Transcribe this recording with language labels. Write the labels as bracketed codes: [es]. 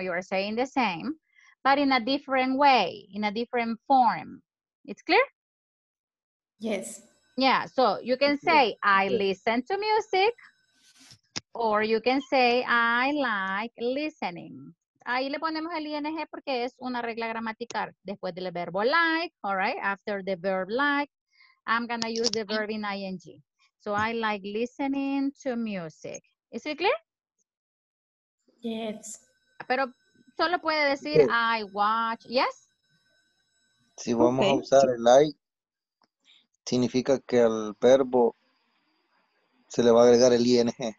[en] You are saying the same, but in a different way, in a different form. It's clear? Yes. Yeah. So you can say, I listen to music, or you can say, I like listening. [es] Ahí le ponemos el ing porque es una regla gramatical. Después del verbo like, [en] all right? After the verb like. I'm going to use the verb in ing. So I like listening to music. Is it clear? Yes. [es] Pero solo puede decir okay. [en] I watch. Yes? [es] Si vamos okay. a usar el like, significa que al verbo se le va a agregar el ing.